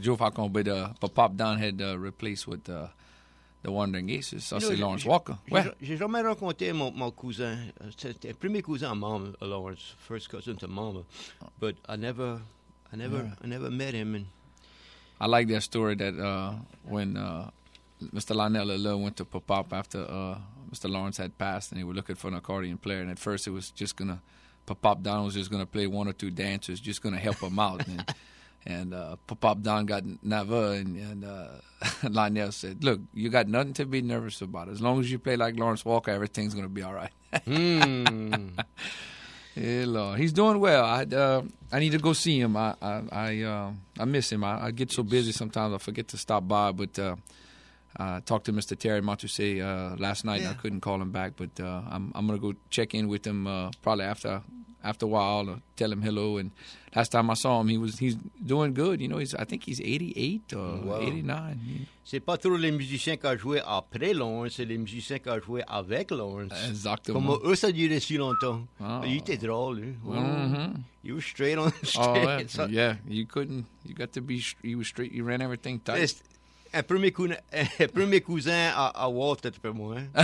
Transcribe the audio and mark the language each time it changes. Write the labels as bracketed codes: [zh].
[en] Joe Falcon, but Pop Down had replaced with The Wandering Aces. [fr] Ça, c'est Lawrence Walker. Ouais. J'ai jamais rencontré mon cousin. C'était le premier cousin à Mom, Lawrence, [en] first cousin to Mom. But I never met him. And I like that story that Mr. Lionel Lil went to Pop after Mr. Lawrence had passed, and they were looking for an accordion player. And at first, it was just going to Pop Don was just going to play one or two dancers, just going to help him out. And Pop Don got nervous, and Lionel said, look, you got nothing to be nervous about. As long as you play like Lawrence Walker, everything's going to be all right. Yeah, Lord. He's doing well. I need to go see him. I miss him. I get so busy sometimes I forget to stop by. But I talked to Mr. Terry Matusse last night, yeah. And I couldn't call him back. But I'm going to go check in with him probably after a while, or tell him hello. And last time I saw him, he's doing good. You know, I think he's 88 or 89. [fr] C'est pas trop les musiciens qui ont joué après Lawrence, c'est les musiciens qui ont joué avec Lawrence. Exactement. Comme eux, ça durait si longtemps. Oh. Il était drôle. Hein? Mm-hmm. [en] He was straight on the street. [fr] Oh, ouais. [en] Yeah, you couldn't, you got to be, he was straight, you ran everything tight. Just, [fr] Un premier cousin à Walt, peut-être pas moi.